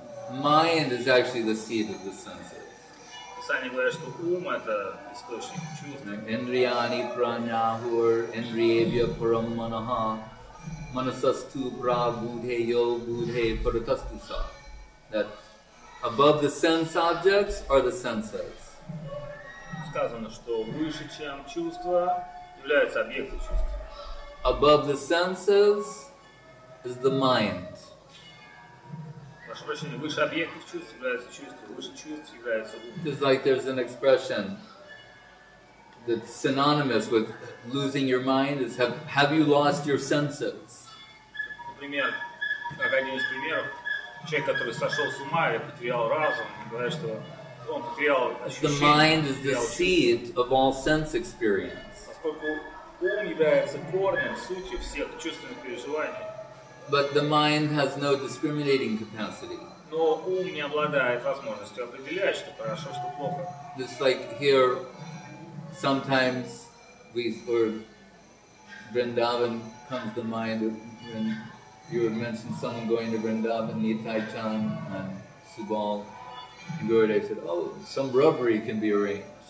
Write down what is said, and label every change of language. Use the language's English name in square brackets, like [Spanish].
[English] Mind is actually the seat of the senses. [Russian] Писание говорит, что ум – это источник чувств. [Sanskrit] Indriyani pranyahur, indriyevya paramanaha. Manasastu pra budhe yo budhe paratastu sa. That a [English] Above the sense objects or the senses? [Russian] Сказано, что выше, чем чувства, являются объекты чувств. [English] Above the senses is the mind. [Russian] Прошу прощения, выше объектов чувств являются чувства, выше чувств является ум. [English] It's like there's an expression that's synonymous with losing your mind is have you lost your senses? [Russian] Например, как один из примеров, человек, который сошел с ума или потерял разум, говорит, что он потерял ощущение. [English] The mind is the seed of all sense experience. [Russian] Поскольку ум является корнем, сутью всех чувственных переживаний. [English] But the mind has no discriminating capacity. [Russian] Но ум не обладает возможностью определять, что хорошо, что плохо. [English] It's like here, sometimes we or Vrindavan comes to mind when you would mention someone going to Vrindavan, Nithai Chan and Subal and Gurudev said, oh, some rubbery can be arranged.